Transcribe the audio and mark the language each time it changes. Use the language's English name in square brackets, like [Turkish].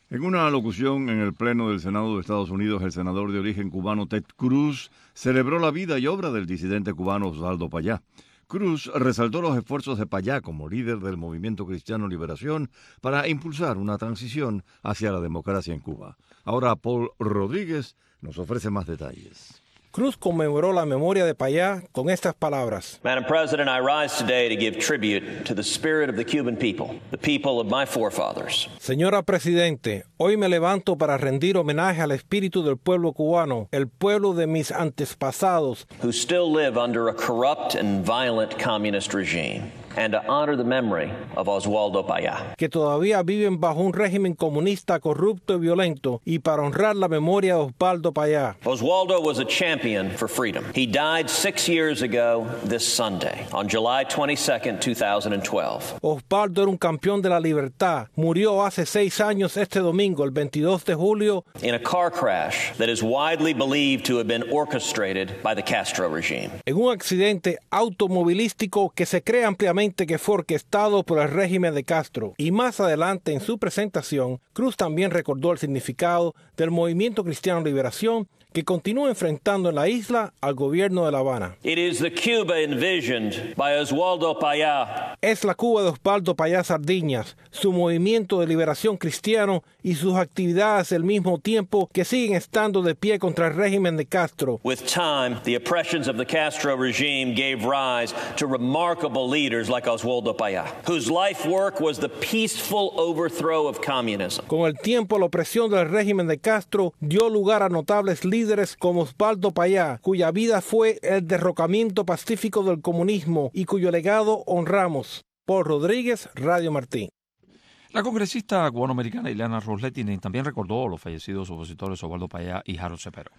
[Spanish] En una alocución en el Pleno del Senado de Estados Unidos, el senador de origen cubano Ted Cruz celebró la vida y obra del disidente cubano Osvaldo Payá. Cruz resaltó los esfuerzos de Payá como líder del Movimiento Cristiano Liberación para impulsar una transición hacia la democracia en Cuba. Ahora Paul Rodríguez nos ofrece más detalles. Cruz conmemoró la memoria de Payá con estas palabras. [English] Madam President, I rise today to give tribute to the spirit of the Cuban people, the people of my forefathers. [Spanish] Señora Presidente, hoy me levanto para rendir homenaje al espíritu del pueblo cubano, el pueblo de mis antepasados, [English] who still live under a corrupt and violent communist regime, and to honor the memory of Oswaldo Payá. [Spanish] Que todavía viven bajo un régimen comunista corrupto y violento, y para honrar la memoria de Osvaldo Payá. [English] Oswaldo was a champion for freedom. He died 6 years ago this Sunday, on July 22, 2012. [Spanish] Osvaldo era un campeón de la libertad. Murió hace 6 años este domingo. domingo, el 22 de julio, [English] in a car crash that is widely believed to have been orchestrated by the Castro regime. [Spanish] En un accidente automovilístico que se cree ampliamente que fue orquestado por el régimen de Castro. Y más adelante en su presentación, Cruz también recordó el significado del Movimiento Cristiano Liberación que continúa enfrentando en la isla al gobierno de La Habana. [English] It is the Cuba envisioned by Oswaldo Payá. [Spanish] Es la Cuba de Osvaldo Payá Sardiñas, su movimiento de liberación cristiano y sus actividades al mismo tiempo que siguen estando de pie contra el régimen de Castro. [English] With time, the oppressions of the Castro regime gave rise to remarkable leaders like Oswaldo Payá, whose life work was the peaceful overthrow of communism. [Spanish] Con el tiempo, la opresión del régimen de Castro dio lugar a notables líderes como Osvaldo Payá, cuya vida fue el derrocamiento pacífico del comunismo y cuyo legado honramos. Paul Rodríguez, Radio Martín. La congresista cubanoamericana Ileana Roslettini también recordó a los fallecidos opositores Osvaldo Payá y Harold Cepero.